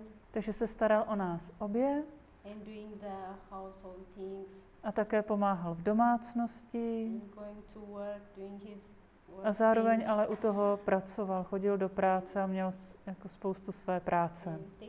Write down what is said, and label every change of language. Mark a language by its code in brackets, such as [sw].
[cs] Takže se staral o nás obě [en] and doing the household things. [cs] A také pomáhal v domácnosti [en] and going to work, doing his work [cs] a zároveň [en] things. [cs] Ale u toho pracoval, chodil do práce a měl jako spoustu své práce.